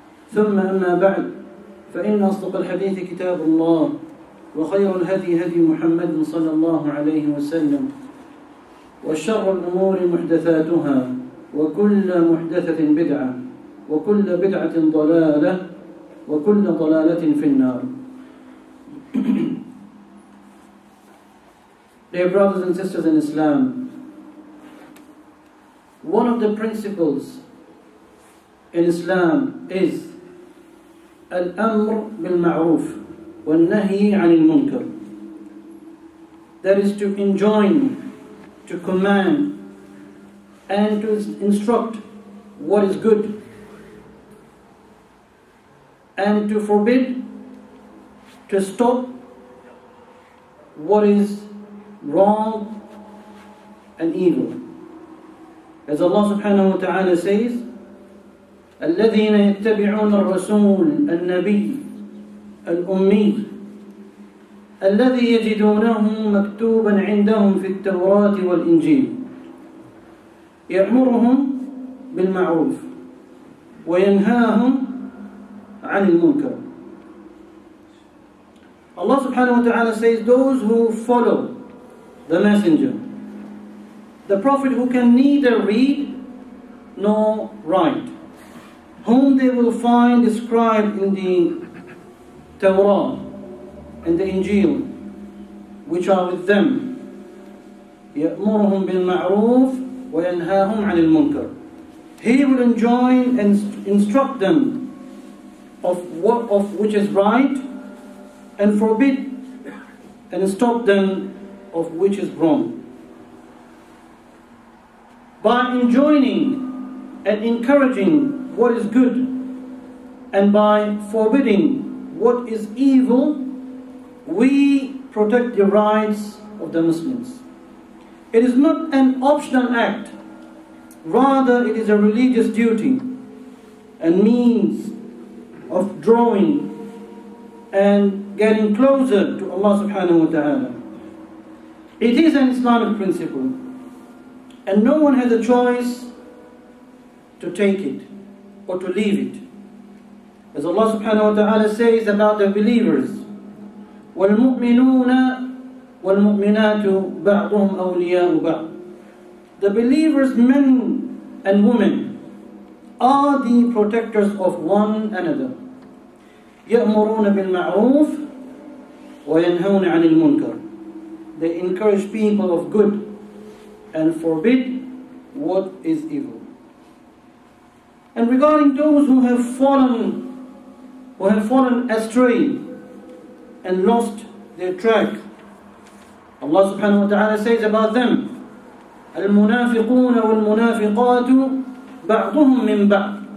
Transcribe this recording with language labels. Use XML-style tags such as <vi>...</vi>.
<ar>ثم أما بعد، فإن أصدق الحديث كتاب الله وخير الهدي هدي محمد صلى الله عليه وسلم وشر الأمور محدثاتها وكل محدثة بدعة وكل بدعة ضلالة وكل ضلالة في النار.</ar> <en>Dear brothers and sisters in Islam, one of the principles in Islam is</en> <ar>الأمر بالمعروف والنهي عن المنكر.</ar> <en>That is to enjoin, to command, and to instruct what is good, and to forbid, to stop what is wrong and evil. As Allah subhanahu wa ta'ala says,</en> <ar>الَّذِينَ يَتَّبِعُونَ الرَّسُولَ النَّبِيَّ الْأُمِّيَّ الَّذِي يَجِدُونَهُ مَكْتُوبًا عِنْدَهُمْ فِي التَّوْرَاةِ وَالْإِنْجِيلِ يأمرهم بالمعروف وينهاهم عن المنكر.</ar> <en>Allah subhanahu wa ta'ala says, those who follow the messenger, the prophet who can neither read nor write, whom they will find described in the Torah and the Injil, which are with them.</en> <ar>يأمرهم بالمعروف وَيَنْهَاهُمْ عَنِ الْمُنْكَرِ.</ar> <en>He will enjoin and instruct them of what of which is right, and forbid and stop them of which is wrong. By enjoining and encouraging what is good, and by forbidding what is evil, we protect the rights of the Muslims. It is not an optional act, rather it is a religious duty and means of drawing and getting closer to Allah subhanahu wa ta'ala. It is an Islamic principle and no one has a choice to take it or to leave it. As Allah subhanahu wa ta'ala says about the believers,</en> <ar>وَالْمُؤْمِنُونَ والمؤمنات بعضهم أولياء بعض.</ar> <en>The believers, men and women, are the protectors of one another.</en> <ar>يأمرون بالمعروف وينهون عن المنكر.</ar> <en>They encourage people of good and forbid what is evil. And regarding those who have fallen astray and lost their track, Allah subhanahu wa ta'ala says about them,</en> <ar>المنافقون والمنافقات بعضهم من بعض.</ar>